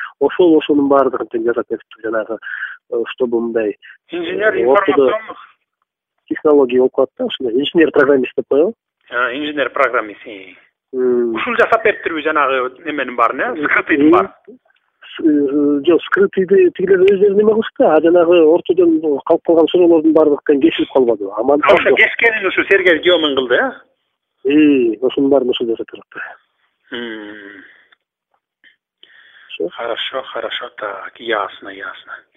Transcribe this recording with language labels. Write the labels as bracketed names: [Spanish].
[Kyrgyz] Ошол ошонун баардыгын тең жазат кетиптир жанагы, чтобы мындай [Russian] инженер информационных [Kyrgyz] технологий болуп калат да, ушундай инженер программист деп коелу. Инженер программист. Ушул жасап бериптирби жанагы эменин баарын, э, скрытыйдын баарын? Жок, скрытыйды тигилер өздөрү неме кылышты, а жанагы ортодон калып калган суроолордун баардыгы кесилип калбадыбы? Амандык ошо кескенин ушу Сергей Демин кылды, э? Ошонун баарын ошол жасап жатыптыр. [Russian] Хорошо, хорошо, так, ясно, ясно.